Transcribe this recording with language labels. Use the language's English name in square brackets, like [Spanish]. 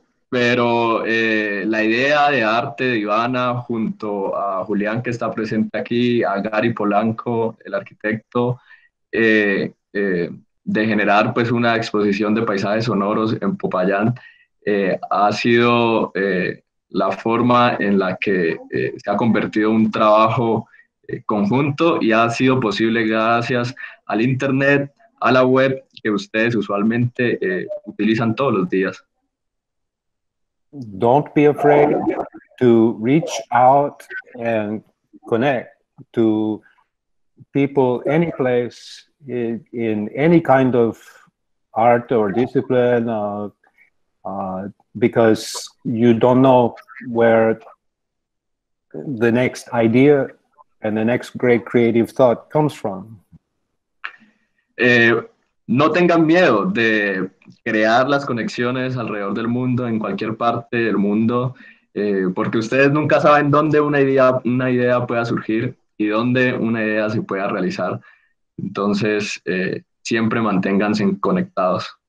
[Spanish] Pero la idea de arte de Ivana junto a Julián, que está presente aquí, a Gary Polanco, el arquitecto, de generar pues una exposición de paisajes sonoros en Popayán, ha sido la forma en la que se ha convertido un trabajo conjunto, y ha sido posible gracias al internet, a la web que ustedes usualmente utilizan todos los días. [English] Don't be afraid to reach out and connect to people any place in any kind of art or discipline because you don't know where the next idea and the next great creative thought comes from. [Spanish] No tengan miedo de crear las conexiones alrededor del mundo, en cualquier parte del mundo, porque ustedes nunca saben dónde una idea pueda surgir y dónde una idea se pueda realizar. Entonces, siempre manténganse conectados.